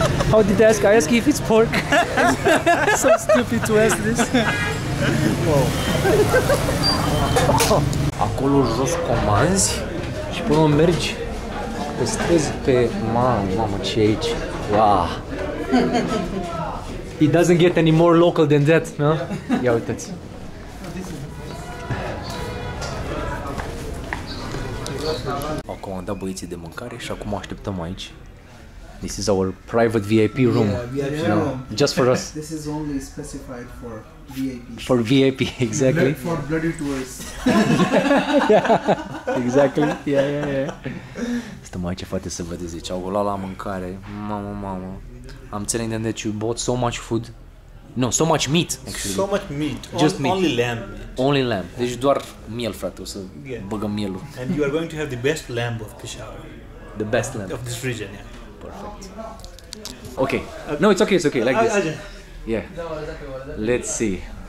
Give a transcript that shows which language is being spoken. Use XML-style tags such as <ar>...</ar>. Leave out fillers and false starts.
<en>How did they ask? I ask if it's pork. So stupid to ask this. Wow.</en> <ro>Acolo jos comanzi și până o mergi pe străzi pe... Mamă, ce e aici? Wow.</ro> <en>It doesn't get any more local than that, no?</en> <ro>Ia uitați! Au comandat băieții de mâncare și acum așteptăm aici.</ro> <en>This is our private VIP room. Yeah, VIP room. Just for us. This is only specified for VIP. For VIP, exactly. For bloody tourists. Yeah, exactly. Yeah.</en> <ro>Stăm aici, frate, să vedeți. Deci au luat la mâncare. Mamă.</ro> <en>I'm telling them that you bought so much food. No, so much meat, actually. So much meat. Just meat. Only lamb. Only lamb.</en> <ro>Deci doar miel, frate. O să băgăm mielul.</ro> <en>And you are going to have the best lamb of Peshawar. The best lamb. Of this region, yeah. Perfect. Okay. No, it's okay. Like this. Yeah. Let's see.</en>